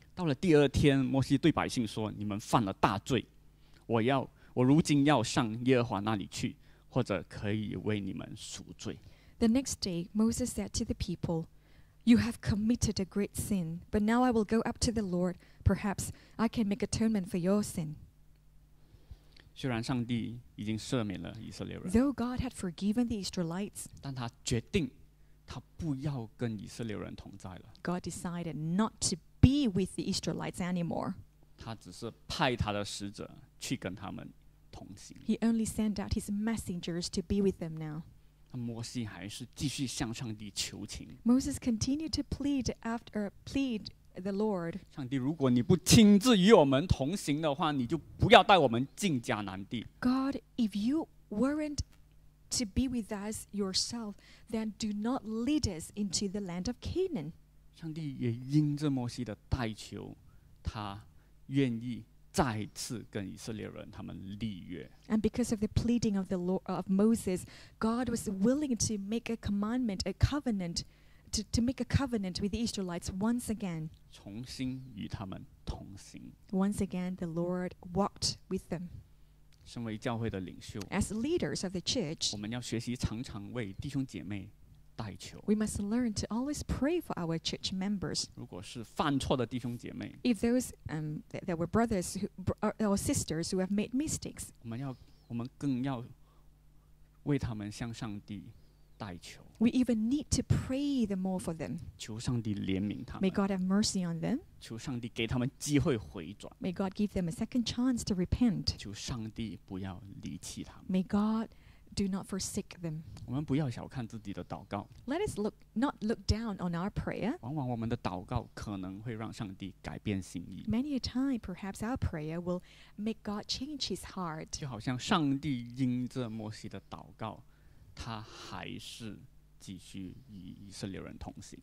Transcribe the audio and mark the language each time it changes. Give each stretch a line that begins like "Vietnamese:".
Chinese: 到了第二天，摩西对百姓说：“你们犯了大罪，我如今要上耶和华那里去，或者可以为你们赎罪。”
English: The next day, Moses said to the people, "You have committed a great sin, but now I will go up to the Lord. Perhaps I can make atonement for your sin."
Chinese: 虽然上帝已经赦免了以色列人
English: ，Though God had forgiven the Israelites,
Chinese: 但他决定他不要跟以色列人同在了。
English: God decided not to be with the Israelites anymore.
Chinese: 他只是派他的使者去跟他们同行。
English: He only sent out his messengers to be with them now.
Chinese: 摩西还是继续向上帝求情。
English: Moses continued to plead the Lord.
Chinese: 上帝，如果你不亲自与我们同行的话，你就不要带我们进迦南地。
English: God, if you weren't to be with us yourself, then do not lead us into the land of Canaan.
Chinese: 上帝也因着摩西的代求，他愿意再次跟以色列人他们立约。
English: And because of the pleading of the Lord, of Moses, God was willing to make a commandment, a covenant, to make a covenant with the Israelites once again.
Chinese: 重新与他们同行。
English: Once again, the Lord walked with them.
Chinese: 身为教会的领袖，
English: as leaders of the church,
Chinese: 我们要学习常常为弟兄姐妹代求。
English: We must learn to always pray for our church members.
Chinese: 如果是犯错的弟兄姐妹，
English: if those that were brothers or sisters who have made mistakes,
Chinese: 我们更要为他们向上帝代求。
English: We even need to pray the more for them.
Chinese: 求上帝怜悯他们。
English: May God have mercy on them.
Chinese: 求上帝给他们机会回转。
English: May God give them a second chance to repent.
Chinese: 求上帝不要离弃他们。
English: May God do not forsake them.
Chinese: 我们不要小看自己的祷告。
English: Let us not look down on our prayer.
Chinese: 往往我们的祷告可能会让上帝改变心意。
English: Many a time, perhaps our prayer will make God change his heart.
Chinese: 就好像上帝因着摩西的祷告，他还是继续与以色列人同行。